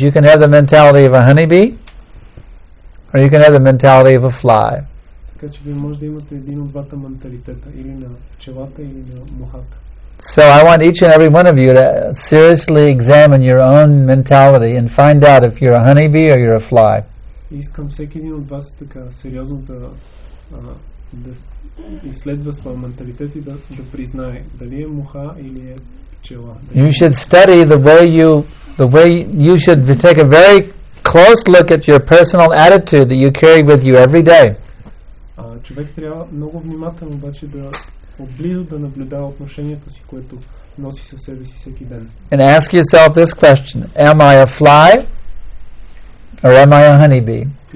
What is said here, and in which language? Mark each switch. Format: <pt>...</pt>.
<en>You can have the mentality of a honeybee, or you can have the mentality of a fly.</en> <bg>Така че вие може да имате един от двата менталитета, или на пчелата, или на мухата.</bg> <en>So I want each and every one of you to seriously examine your own mentality and find out if you're a honeybee or you're a fly.</en> <bg>Искам всеки един от вас така сериозно да, да изследва своя менталитет и да признае дали е муха или е пчела.</bg> <en>You should study the way you should take a very close look at your personal attitude that you carry with you every day.</en> <bg>Човек трябва много внимателно обаче да отблизо да наблюдава отношението си, което носи със себе си всеки ден.</bg> <en>And ask yourself this question: am I a fly? Or am I a honeybee?</en>